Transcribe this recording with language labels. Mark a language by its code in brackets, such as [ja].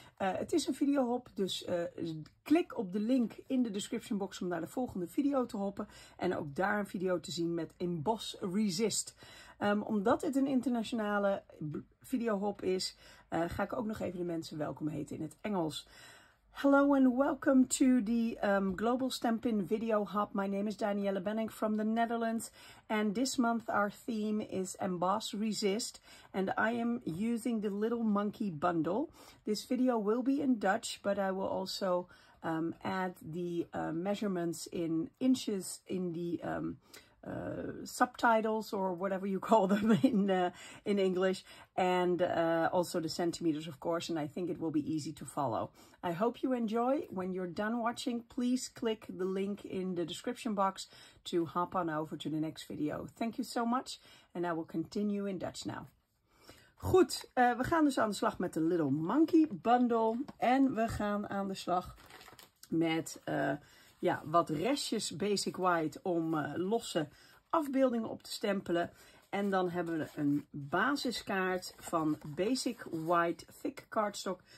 [nl] Het is een videohop, dus klik op de link in de description box om naar de volgende video te hoppen. En ook daar een video te zien met Emboss Resist. Omdat dit een internationale videohop is, ga ik ook nog even de mensen welkom heten in het Engels. [en] Hello and welcome to the Global Stampin' Video Hub. My name is Danielle Benning from the Netherlands. And this month our theme is Emboss Resist. And I am using the Little Monkey Bundle. This video will be in Dutch, but I will also add the measurements in inches in the subtitles or whatever you call them in English, and also the centimeters, of course, and I think it will be easy to follow. I hope you enjoy. When you're done watching, please click the link in the description box to hop on over to the next video. Thank you so much, and I will continue in Dutch now. [nl] Goed, we gaan dus aan de slag met de Little Monkey Bundle en we gaan aan de slag met ja, wat restjes Basic White om losse afbeeldingen op te stempelen. En dan hebben we een basiskaart van Basic White Thick Cardstock.